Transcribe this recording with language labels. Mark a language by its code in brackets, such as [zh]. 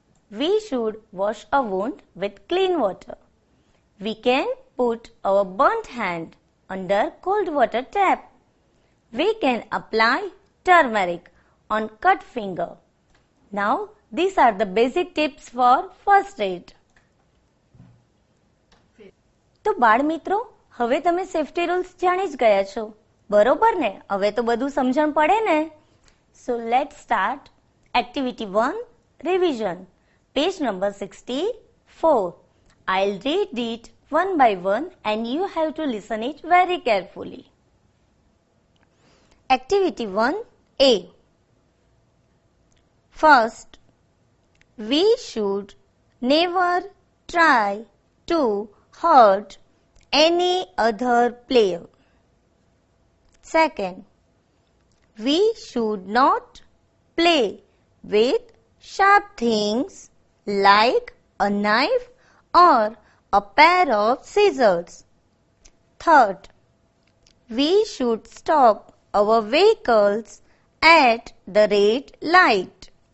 [en] We should wash a wound with clean water. We can put our burnt hand under cold water tap. We can apply turmeric on cut finger. Now, these are the basic tips for first aid. [gu] તો બાળ મિત્રો, હવે તમે safety rules જાણી જ ગયા છો, બરોબર ને? હવે તો બધું સમજણ પડે ને? [en] So let start activity 1 revision, page number 64. I will read it one by one and you have to listen it very carefully. Activity 1A. First, we should never try to hurt any other player. Second, we should not play with sharp things like a knife or a pair of scissors. Third, we should stop our vehicles at the red light.